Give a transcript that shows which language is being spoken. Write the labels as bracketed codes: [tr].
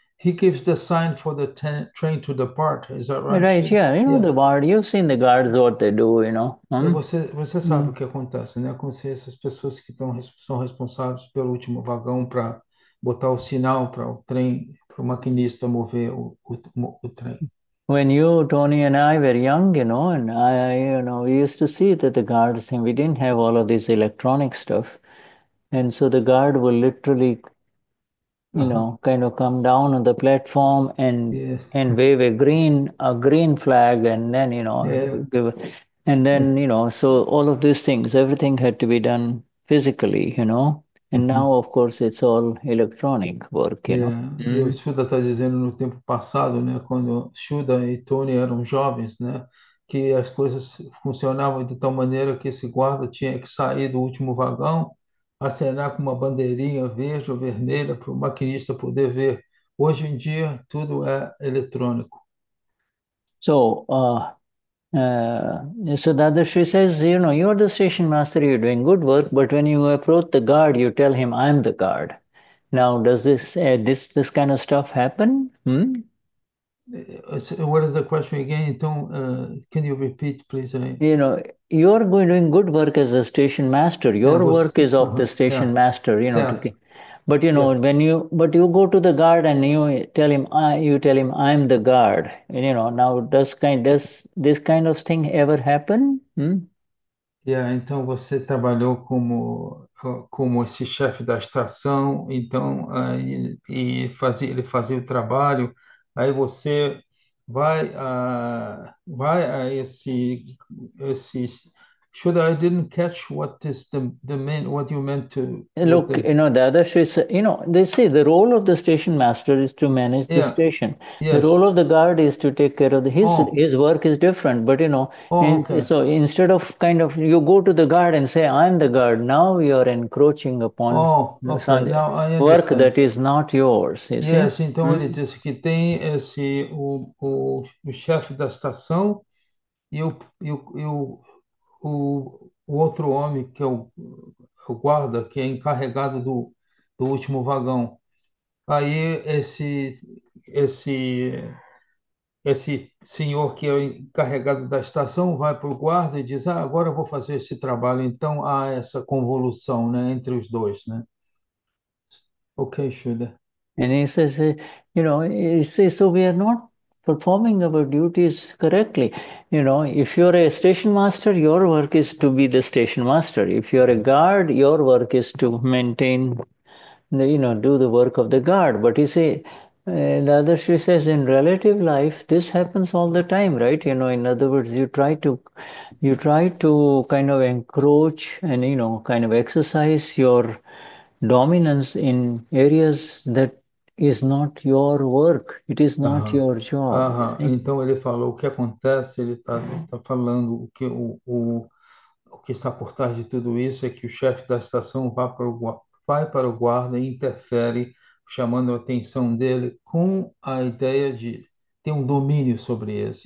[en] He gives the sign for the train to depart. Is that right? Right, yeah, the guard, you've seen the guards, what they do, [pt] E você sabe o que acontece, né? Como se essas pessoas que são responsáveis pelo último vagão para botar o sinal para o trem, para o maquinista mover o trem. [en] When you, Tony, and I were young, and I, we used to see that the guards, and we didn't have all of this electronic stuff, and so the guard will literally, kind of come down on the platform and wave a green flag, and then and then so all of these things, everything had to be done physically, and now of course it's all electronic work, [pt] E o Shuda está dizendo no tempo passado, né, quando Shuda e Tony eram jovens, né, que as coisas funcionavam de tal maneira que esse guarda tinha que sair do último vagão, acenar com uma bandeirinha verde ou vermelha para o maquinista poder ver. Hoje em dia, tudo é eletrônico. [en] So Dada Shri says, you're the station master, you're doing good work, but when you approach the guard, you tell him, I'm the guard. Now, does this kind of stuff happen? What is the question again? Can you repeat, please? You're doing good work as a station master. Your work is of the station master, [pt] Certo. [en] But you go to the guard and you tell him I'm the guard. Now does this kind of thing ever happen? [pt] Então você trabalhou como esse chefe da estação, então e fazia o trabalho. Aí você vai a esse [en] Should I didn't catch what is the main what you meant to with Look, the the other Sri, they say the role of the station master is to manage the station. The role of the guard is to take care of the, his work is different. But instead of kind of you go to the guard and say, "I'm the guard," now you are encroaching upon Oh, okay. some Now I work understand. that is not yours, you see? [pt] Yes, então ele disse que tem esse o chefe da estação e o outro homem que é o guarda, que é encarregado do último vagão. Aí esse senhor que é encarregado da estação vai para o guarda e diz: ah, agora eu vou fazer esse trabalho. Então há essa convolução, né, entre os dois, né? Ok, Shuda. [en] And he says, he says, so we are not performing our duties correctly. If you're a station master, your work is to be the station master. If you're a guard, your work is to maintain, do the work of the guard. But you see, the other she says, in relative life, this happens all the time, right? In other words, you try to kind of encroach and, kind of exercise your dominance in areas that is not your work, it is not your job, you see? [pt] Então ele falou o que acontece, ele tá falando o que está por trás de tudo isso é que o chefe da estação vai para o guarda e interfere, chamando a atenção dele com a ideia de ter um domínio sobre isso.